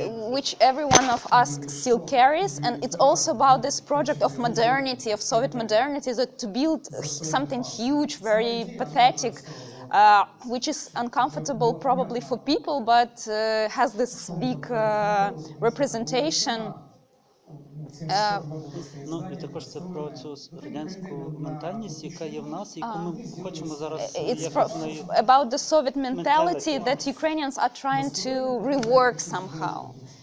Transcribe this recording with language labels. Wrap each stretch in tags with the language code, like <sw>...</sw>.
<en>which every one of us still carries, and it's also about this project of modernity, of Soviet modernity, that to build something huge, very pathetic, which is uncomfortable probably for people, but has this big representation.</en> <uk>Ну, і також це про цю радянську ментальність, яка є в нас, яку ми хочемо зараз</uk> <en>about the Soviet mentality that Ukrainians are trying to rework somehow.</en>